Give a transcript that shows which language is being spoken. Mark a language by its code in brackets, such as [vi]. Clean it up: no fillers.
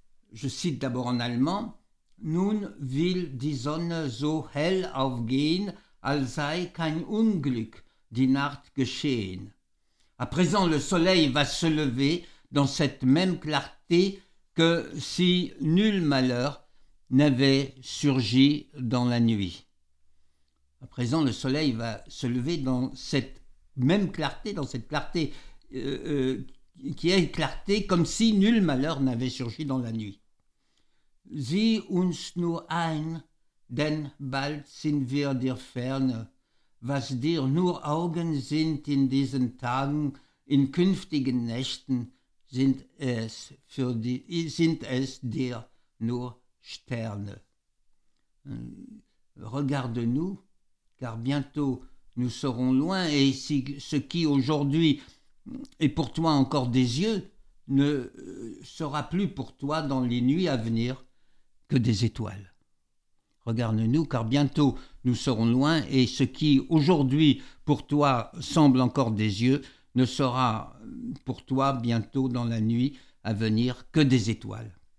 [fr] Je cite d'abord en allemand, « [de] Nun will die Sonne so hell aufgehen, als sei kein Unglück die Nacht geschehen. [fr] » À présent, le soleil va se lever dans cette même clarté que si nul malheur n'avait surgi dans la nuit. À présent, le soleil va se lever dans cette même clarté, dans cette clarté qui est clarté comme si nul malheur n'avait surgi dans la nuit. [de] Sie uns nur ein, denn bald sind wir dir ferne, was dir nur Augen sind in diesen Tagen, in künftigen Nächten sind es für die, sind es dir nur Sterne. [fr] Regarde-nous, car bientôt nous serons loin, et si ce qui aujourd'hui est pour toi encore des yeux ne sera plus pour toi dans les nuits à venir que des étoiles. Regarde-nous, car bientôt nous serons loin, et ce qui aujourd'hui pour toi semble encore des yeux ne sera pour toi bientôt dans la nuit à venir que des étoiles.